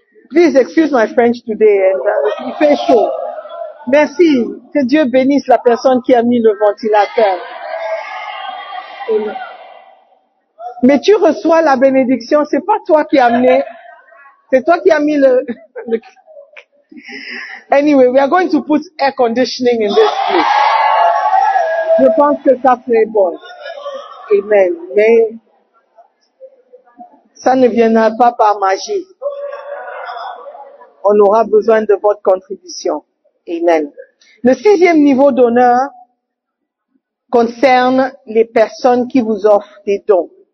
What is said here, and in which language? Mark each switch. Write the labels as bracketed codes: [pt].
[en] Please excuse my French today. [fr] Il fait chaud. Merci. Que Dieu bénisse la personne qui a mis le ventilateur. Amen. Mais tu reçois la bénédiction, c'est pas toi qui as amené, c'est toi qui as mis le. [en] Anyway, we are going to put air conditioning in this place. [fr] Je pense que ça ferait bon. Amen. Mais ça ne viendra pas par magie. on aura besoin de votre contribution. Amen. Le sixième niveau d'honneur concerne les personnes qui vous offrent des dons.